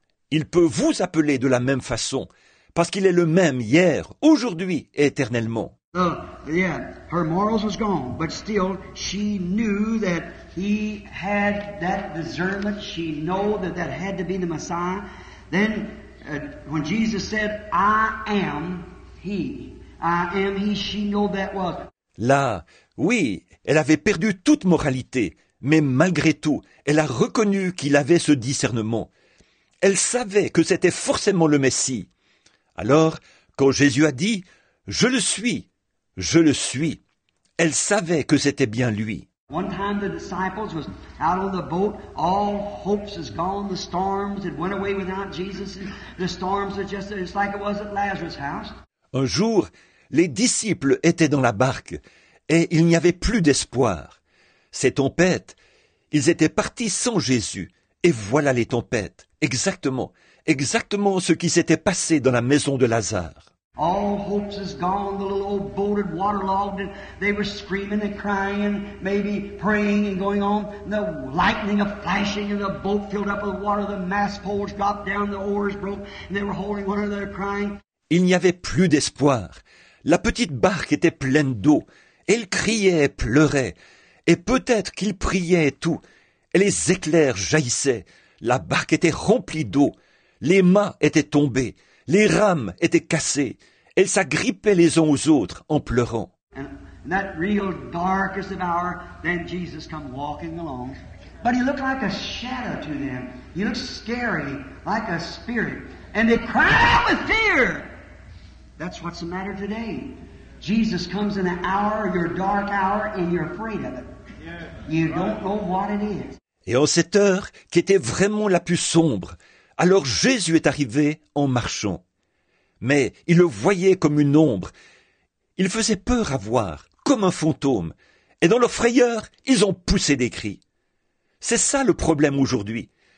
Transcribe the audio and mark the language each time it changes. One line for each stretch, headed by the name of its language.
French: Il peut vous appeler de la même façon, parce qu'il est le même hier, aujourd'hui et éternellement.
English: Her morals was gone, but still she knew that he had that discernment. She knew that that had to be the Messiah. Then when Jesus said, I am he, she knew that was.
French: Là, oui, elle avait perdu toute moralité. Mais malgré tout, elle a reconnu qu'il avait ce discernement. Elle savait que c'était forcément le Messie. Alors, quand Jésus a dit, « Je le suis, je le suis », elle savait que c'était bien lui.
English: One time the disciples was out on the boat, all hopes is gone, the storms had went away without Jesus, the storms are just it's like it was at Lazarus' house.
French: Un jour, les disciples étaient dans la barque, et il n'y avait plus d'espoir. Ces tempêtes, ils étaient partis sans Jésus, et voilà les tempêtes, exactement, exactement ce qui s'était passé dans la maison de Lazare.
English: All hopes is gone, the little old boat had waterlogged, and they were screaming and crying, maybe praying and going on, and the lightning of flashing, and the boat filled up with water, the mast poles dropped down, the oars broke, and they were holding one another crying.
French: Il n'y avait plus d'espoir. La petite barque était pleine d'eau, elle criait et pleurait. Et peut-être qu'il priait et tout. Et les éclairs jaillissaient. La barque était remplie d'eau. Les mâts étaient tombés. Les rames étaient cassées. Elles s'agrippaient les uns aux autres en pleurant.
English: In that real darkest of hour, then Jesus come walking along. But he looked like a shadow to them. He looked scary, like a spirit. And they cried out with fear. That's what's the matter today. Jesus comes in an hour, your dark hour, and you're afraid of it. You don't know what it is.
French: Et en cette heure, qui était vraiment la plus sombre, alors Jésus est arrivé en marchant. Mais il le voyait comme une ombre. Il faisait peur à voir, comme un fantôme. Et dans leur frayeur, ils ont poussé des cris. C'est ça le problème aujourd'hui.